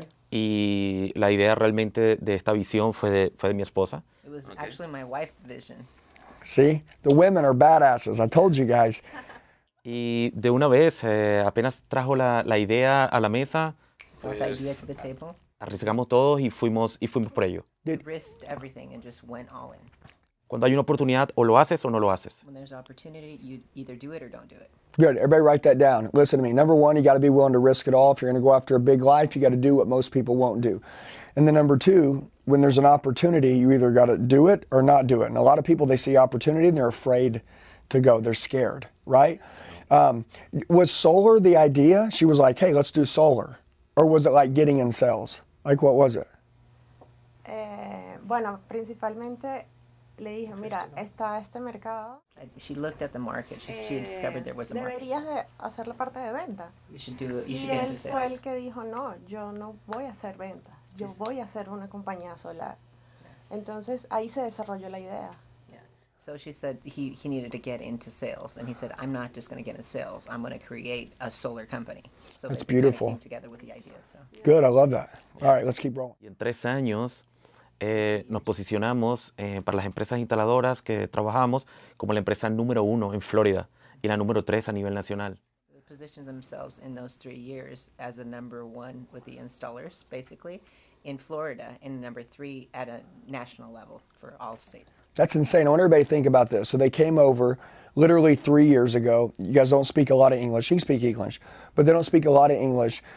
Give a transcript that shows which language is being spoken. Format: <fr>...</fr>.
<es>Y la idea realmente de esta visión fue de mi esposa.</es> <en>It was okay. Actually my wife's vision. See, the women are badasses, I told you guys.</en> <es>Y de una vez, apenas trajo la idea a la mesa.</es> <en>Brought the idea to the table.</en> <es>Arriesgamos todos y fuimos por ello.</es> <en>Did risked everything and just went all in.</en> <es>Cuando hay una oportunidad, o lo haces o no lo haces.</es> <en>When there's an opportunity, you either do it or don't do it. Good. Everybody write that down. Listen to me. Number one, you got to be willing to risk it all. If you're going to go after a big life, you got to do what most people won't do. And then number two, when there's an opportunity, you either got to do it or not do it. And a lot of people, they see opportunity and they're afraid to go. They're scared, right? Was solar the idea? She was like, hey, let's do solar. Or was it like getting in sales? Like, what was it?</en> <es>Bueno, principalmente... Le dije, mira, está este mercado.</es> <en>She looked at the market. She discovered there was a market.</en> <es>Deberías de hacer la parte de venta.</es> <en>You should get into sales.</en> <es>Y él fue el que dijo, no, yo no voy a hacer venta. Yo voy a hacer una compañía solar. Entonces, ahí se desarrolló la idea.</es> <en>So she said he needed to get into sales, and he said, I'm not just going to get into sales. I'm going to create a solar company. So that's beautiful. Kind of came together with the idea. So. Good, I love that. Yeah. All right, let's keep rolling.</en> <es>En 3 años... nos posicionamos para las empresas instaladoras que trabajamos como la empresa número 1 en Florida y la número 3 a nivel nacional.</es> <en>They positioned themselves in those 3 years as a number 1 with the installers, basically, in Florida, and number 3 at a national level for all states. That's insane. I want everybody to think about this. So they came over literally 3 years ago. You guys don't speak a lot of English. You can speak English, but they don't speak a lot of English.</en>